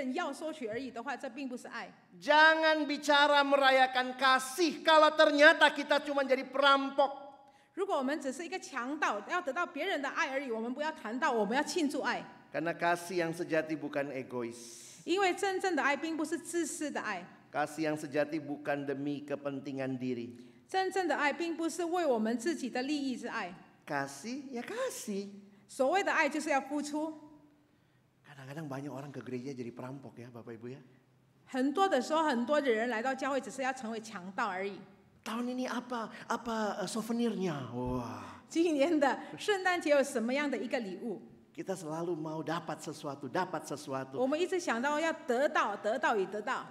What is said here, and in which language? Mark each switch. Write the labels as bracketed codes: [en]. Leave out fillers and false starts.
[zh] 如果爱你到处只是跟从别人要收取而已的话，这并不是爱。 [id] Jangan bicara merayakan kasih kalau ternyata kita cuma jadi perampok. [zh] 如果我们只是一个强盗，要得到别人的爱而已，我们不要谈到我们要庆祝爱。 [id] Karena kasih yang sejati bukan egois. [zh] 因为真正的爱并不是自私的爱。 [id] Kasih yang sejati bukan demi kepentingan diri. [zh] 真正的爱并不是为我们自己的利益之爱。 [id] Kasih, ya kasih. [zh] 所谓的爱就是要付出。 [id] Kadang-kadang banyak orang ke gereja jadi perampok ya, Bapak Ibu ya. [zh] 很多的时候，很多的人来到教会只是要成为强盗而已。 [id] Tahun ini apa? Apa souvenirnya? Wah. [zh] 今年的圣诞节有什么样的一个礼物？ [id] Kita selalu mau dapat sesuatu, dapat sesuatu. [zh] 我们一直想到要得到, 得到与得到。